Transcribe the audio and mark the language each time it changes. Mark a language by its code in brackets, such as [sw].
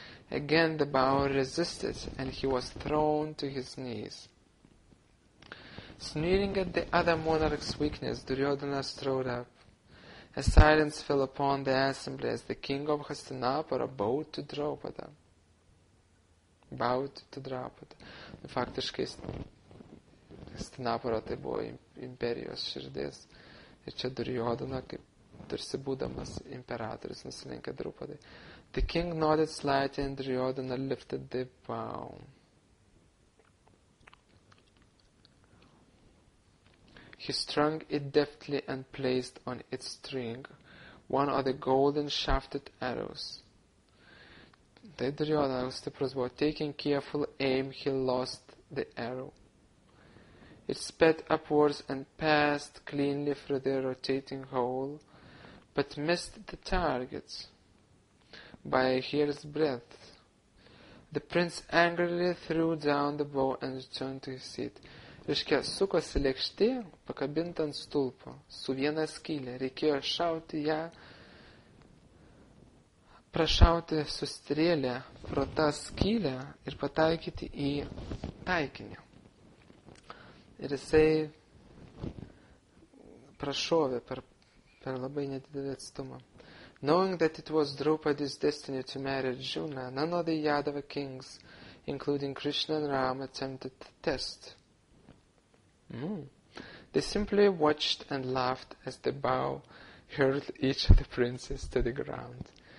[en] Again the bow resisted and he was thrown to his knees. Sneering at the other monarch's weakness, Duryodhana strode up. A silence fell upon the assembly as the king of Hastinapura bowed to Draupada. [lt] Faktiškai Hastinapura tai buvo imperijos širdies. Ir čia Duryodhana, kaip tarsi būdamas imperatorius, nusilenkė Draupadai. [en] The king nodded slightly and Duryodhana lifted the bow. He strung it deftly and placed on its string one of the golden shafted arrows. [lt] Tai Duryodhana stiprus buvo. [en] Taking careful aim, he lost the arrow. It sped upwards and passed cleanly through the rotating hole, but missed the target by a hair's breadth. The prince angrily threw down the bow and returned to his seat. [lt] Reiškia, sukosi lėkštė, pakabinta ant stulpo, su viena skylė. Reikėjo šauti ją, prašauti su strėlė pro tą skylę ir pataikyti į taikinį. Ir jisai Prašovė per labai nedidelį atstumą. [en] Knowing that it was Draupadi's destiny to marry Arjuna, none of the Yadava kings, including Krishna and Ram, attempted the test. Mm. They simply watched and laughed as the bow hurled each of the princes to the ground.